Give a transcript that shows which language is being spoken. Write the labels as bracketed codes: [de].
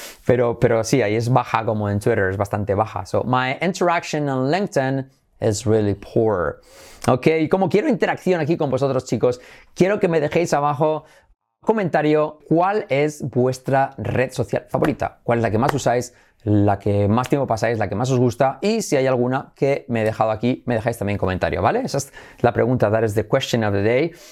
[es] Pero sí, ahí es baja como en Twitter, es bastante baja. [en] So, my interaction on LinkedIn is really poor. [es] Ok, como quiero interacción aquí con vosotros, chicos, quiero que me dejéis abajo comentario cuál es vuestra red social favorita, cuál es la que más usáis, la que más tiempo pasáis, la que más os gusta, y si hay alguna que me he dejado aquí, me dejáis también comentario, ¿vale? Esa es la pregunta, [en] that is the question of the day.